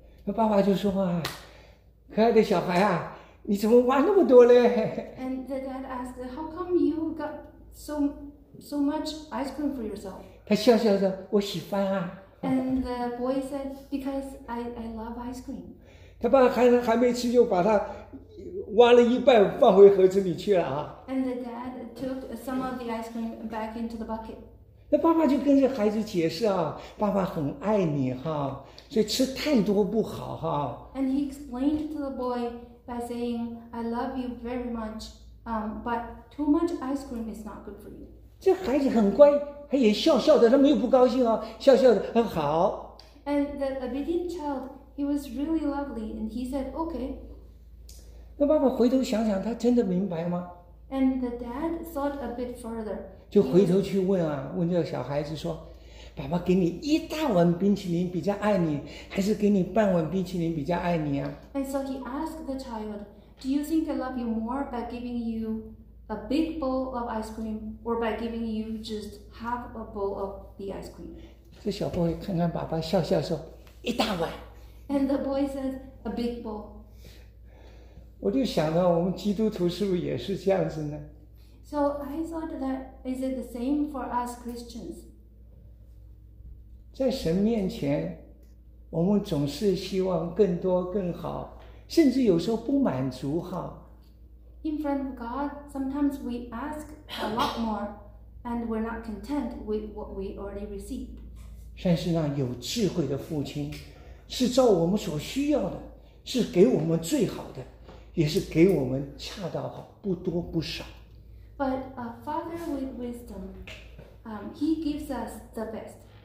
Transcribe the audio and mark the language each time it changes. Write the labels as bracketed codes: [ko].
[zh] 那爸爸就说啊，可爱的小孩啊，你怎么挖那么多嘞 [en] ？And the dad asked, "How come you got so much ice cream for yourself?" [zh] 他笑笑说，我喜欢啊。 [en] And the boy said, "Because I love ice cream." [zh] 他爸还没吃就把他。挖了一半放回盒子里去了啊 [en] ！And the dad took some of the ice cream back into the bucket. [zh] 那爸爸就跟这孩子解释啊，爸爸很爱你哈，所以吃太多不好哈。 [en] And he explained to the boy by saying, "I love you very much, but too much ice cream is not good for you." [zh] 这孩子很乖，他也笑笑的，他没有不高兴啊，笑笑的很好。 [en] And the obedient child, he was really lovely, and he said, "Okay." [zh] 那爸爸回头想想，他真的明白吗 [en] ？And the dad thought a bit further. [zh] 就回头去问啊，问这个小孩子说：“爸爸给你一大碗冰淇淋比较爱你，还是给你半碗冰淇淋比较爱你啊 [en] ？”And so he asked the child, "Do you think I love you more by giving you a big bowl of ice cream, or by giving you just half a bowl of the ice cream?" [zh] 这小 boy 看看爸爸，笑笑说：“一大碗。 [en] ”And the boy says, "A big bowl." [zh] 我就想到我们基督徒是不是也是这样子呢 [en] ？So I thought that is it the same for us Christians? [zh] 在神面前，我们总是希望更多更好，甚至有时候不满足哈。 [en] In front of God, sometimes we ask a lot more, and we're not content with what we already received. [zh] 但是呢，有智慧的父亲，是照我们所需要的，是给我们最好的。也是给我们恰到好，不多不少。 [en] But a father with wisdom, he gives us the best.